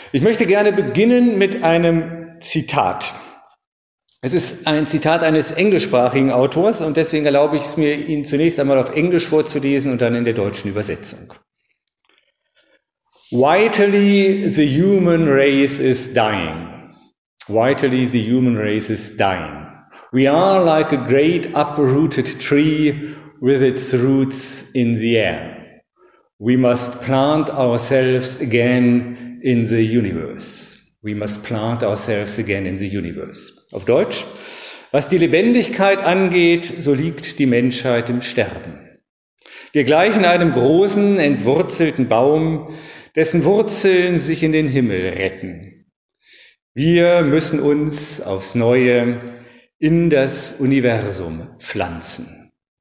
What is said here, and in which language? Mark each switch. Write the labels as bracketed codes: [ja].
[de] Ich möchte gerne beginnen mit einem Zitat. Es ist ein Zitat eines englischsprachigen Autors und deswegen erlaube ich es mir, ihn zunächst einmal auf Englisch vorzulesen und dann in der deutschen Übersetzung. [en] Vitally the human race is dying. Vitally the human race is dying. We are like a great uprooted tree with its roots in the air. We must plant ourselves again in the universe. We must plant ourselves again in the universe. [de] Auf Deutsch, was die Lebendigkeit angeht, so liegt die Menschheit im Sterben. Wir gleichen einem großen, entwurzelten Baum, dessen Wurzeln sich in den Himmel retten. Wir müssen uns aufs Neue in das Universum pflanzen.